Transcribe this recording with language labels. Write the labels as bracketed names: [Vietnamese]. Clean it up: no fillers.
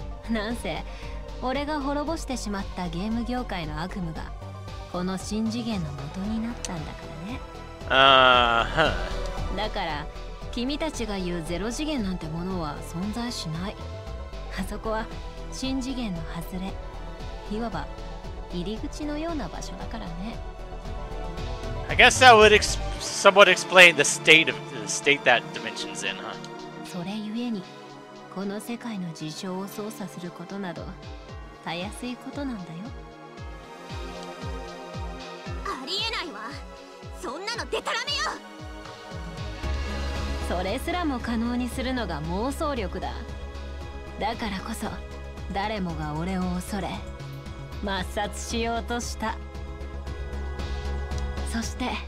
[Japanese] なんせ俺が滅ぼしてしまったゲーム業界の悪夢がこの新次元の元になったんだからね。だから君たちが言うゼロ次元なんてものは存在しない。あそこは新次元の外れ、いわば入り口のような場所だからね。 [English] I guess that would somewhat explain the state that dimension's in, huh? [Japanese] それゆえに、この世界の事象を操作することなど、たやすいことなんだよ。ありえないわ。そんなのデタラメよ。それすらも可能にするのが妄想力だ。だからこそ、誰もが俺を恐れ抹殺しようとした。そして